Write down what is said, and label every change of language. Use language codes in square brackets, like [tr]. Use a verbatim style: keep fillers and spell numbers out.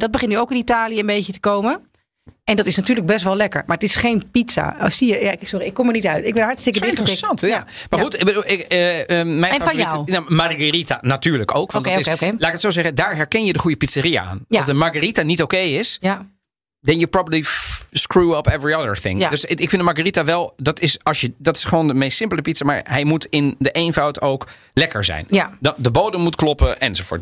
[nl] Dat begint nu ook in Italië een beetje te komen. En dat is natuurlijk best wel lekker. Maar het is geen pizza. Oh, zie je? Ja, sorry, ik kom er niet uit. Ik ben hartstikke dicht. Interessant, ja. Maar goed, ik, ik, uh, uh, mijn en van jou? Nou, Margherita natuurlijk ook. Want okay, dat is, okay, okay. Laat ik het zo zeggen, daar herken je de goede pizzeria aan. Ja. Als de Margherita niet oké okay is... Ja. [en] Then you probably f- screw up every other thing. [nl] Ja. Dus ik vind de margherita wel... Dat is, als je, dat is gewoon de meest simpele pizza... maar hij moet in de eenvoud ook lekker zijn. Ja. De, de bodem moet kloppen enzovoort.